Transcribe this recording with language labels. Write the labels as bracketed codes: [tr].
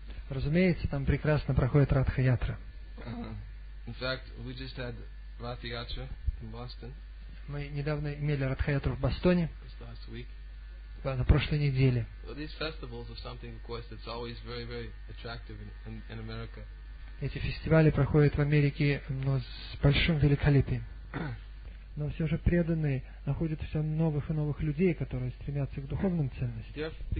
[ru] Разумеется, там прекрасно проходит Ратха Ятра. [en] In fact, we just had Ratha Yatra in Boston. [ru] Мы недавно имели Ратха Ятру в Бостоне. [en] Just last week. [ru] На прошлой неделе. [en] Well, these festivals are something, of course, that's always very, very attractive in America. [ru] Эти фестивали проходят в Америке, но с большим великолепием. Но все же преданные находят все новых и новых людей, которые стремятся к духовным ценностям.